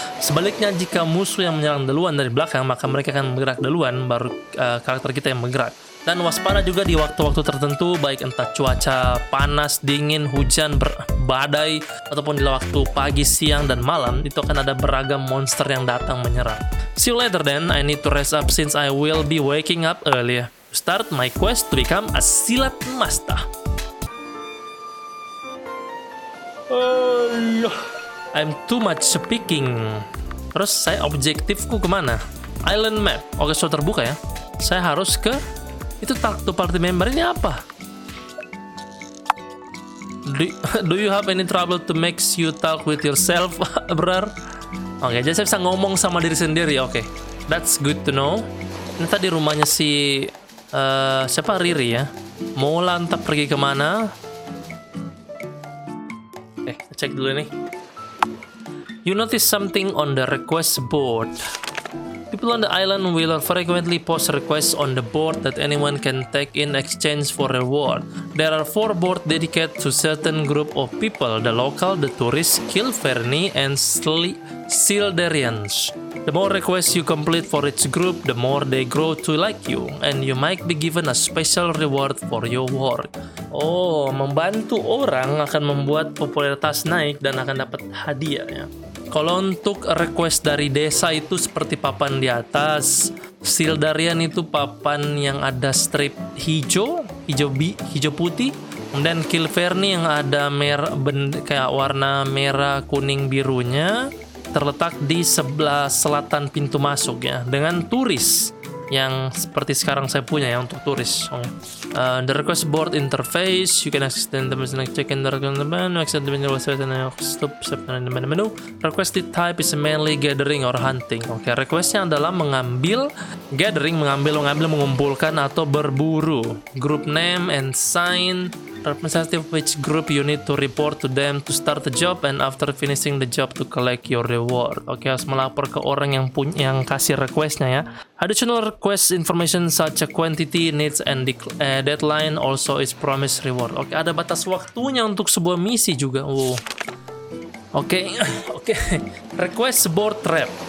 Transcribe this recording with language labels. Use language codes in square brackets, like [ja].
[id] Sebaliknya, jika musuh yang menyerang duluan dari belakang, maka mereka akan bergerak duluan, baru karakter kita yang bergerak. Dan waspada juga di waktu-waktu tertentu, baik entah cuaca panas, dingin, hujan, badai, ataupun di waktu pagi, siang, dan malam, itu akan ada beragam monster yang datang menyerang. [en] See you later then, I need to rest up since I will be waking up earlier. Start my quest to become a silat master. I'm too much speaking. [id] Terus saya objektifku kemana? Island map. Oke, sudah terbuka ya. Saya harus ke itu taktu party member ini apa? [en] Do you have any trouble to make you talk with yourself, brer? [id] Oke, jadi saya bisa ngomong sama diri sendiri. Oke, [en] that's good to know. [id] Ini tadi rumahnya si siapa, Riri ya? Mau lantap pergi kemana? Cek dulu nih. [en] You notice something on the request board. People on the island will frequently post requests on the board that anyone can take in exchange for reward. There are 4 boards dedicated to certain group of people: the local, the tourist, Kilferny, and Sildarians. The more requests you complete for each group, the more they grow to like you, and you might be given a special reward for your work. [id] Oh, membantu orang akan membuat popularitas naik dan akan dapat hadiah ya. Kalau untuk request dari desa itu seperti papan di atas, Sildarian itu papan yang ada strip hijau putih, kemudian Kilferny yang ada kayak warna merah kuning birunya, terletak di sebelah selatan pintu masuk ya, dengan turis yang seperti sekarang saya punya ya, untuk turis. [en] The request board interface, you can access the information and check in the request menu, access the menu website and stop in the menu. Requested type is mainly gathering or hunting. [id] Okay, requestnya adalah mengambil, gathering, mengambil, mengumpulkan atau berburu. [en] Group name and sign, representative which group you need to report to them to start the job and after finishing the job to collect your reward. [id] Okay, harus melapor ke orang yang punya yang kasih requestnya ya. [en] Additional request information such as quantity, needs and deadline also is promised reward. [id] Okay, ada batas waktunya untuk sebuah misi juga. [en] Wow. Okay, okay. Request board trap.